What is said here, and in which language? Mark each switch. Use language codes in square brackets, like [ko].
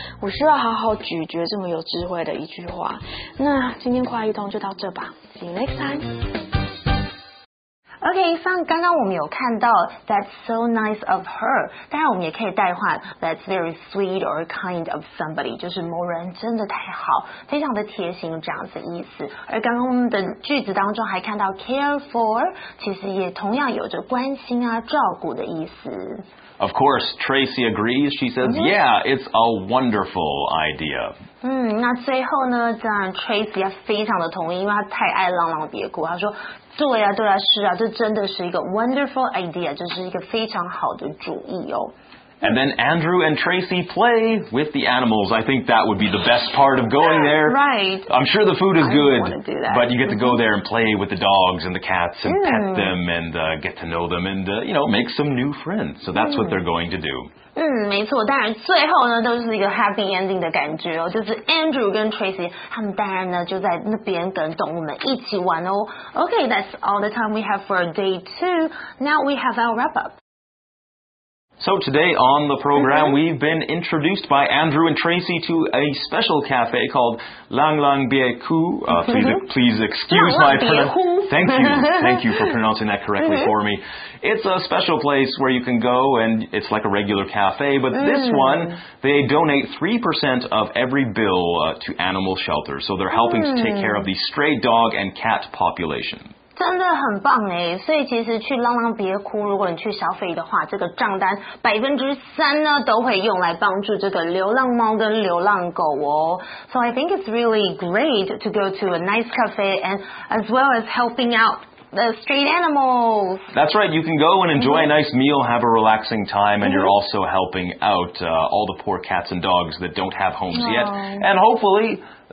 [zh] 我需要好好咀嚼这么有智慧的一句话。那今天快一通就到这吧。 [en] See you next time. Okay, so [zh] 刚刚我们有看到 [en] that's so nice of her. [zh] 当然我们也可以代换 [en] that's very sweet or kind of somebody. [zh] 就是某人真的太好，非常的贴心这样子的意思。而刚刚我们的句子当中还看到 care for， 其实也同样有着关心啊、照顾的意思。 [en] Of course, Tracy agrees. She says, yeah, it's a wonderful idea. [zh] 那最后呢，当然 Tracy 也非常的同意，因为她太爱浪浪别哭。她说，对啊，对啊，是啊，这真的是一个 wonderful idea， 就是一个非常好的主意哦。 [en] And then Andrew and Tracy play with the animals. I think that would be the best part of going there. Right. I'm sure the food is good. I don't want to do that. But you get to go there and play with the dogs and the cats and pet them and get to know them and, make some new friends. So that's what they're going to do. [zh] 没错，当然最后呢都是一个 happy ending 的感觉哦，就是 Andrew 跟 Tracy 他们当然呢就在那边跟动物们一起玩哦。 [en] Okay, that's all the time we have for day two. Now we have our wrap up. So today on the program, we've been introduced by Andrew and Tracy to a special cafe called Lang Lang Bie Ku. Please excuse my pronunciation. Thank you for pronouncing that correctly for me. It's a special place where you can go and it's like a regular cafe. But this one, they donate 3% of every bill to animal shelters. So they're helping to take care of the stray dog and cat population. [zh] 真的很棒哎，所以其实去浪浪别哭，如果你去消费的话，这个账单3%呢都会用来帮助这个流浪猫跟流浪狗哦。 [en] So I think it's really great to go to a nice cafe and as well as helping out the stray animals. That's right. You can go and enjoy a nice meal, have a relaxing time, and you're also helping out all the poor cats and dogs that don't have homes yet. And hopefully.